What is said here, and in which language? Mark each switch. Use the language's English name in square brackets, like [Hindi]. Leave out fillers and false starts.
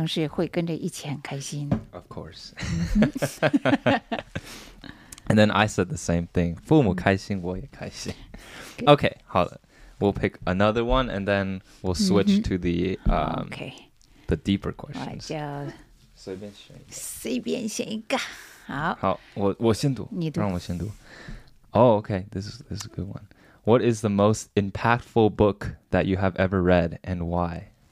[Chinese] 所以刚刚我说，就是在有小孩子以后呢，小孩子开心，啊，爸爸妈妈也总是会跟着一起很开心。Of [English] course. And then I said the same thing. [Chinese] 父母开心，我也开心。 [English] Okay, [Chinese] 好了， [English] we'll pick another one, and then we'll switch to the the deeper questions. [Chinese] 随便选一个。好，我先读。你读。让我先读。 [English] Oh, okay. This is a good one. What is the most impactful book that you have ever read, and why?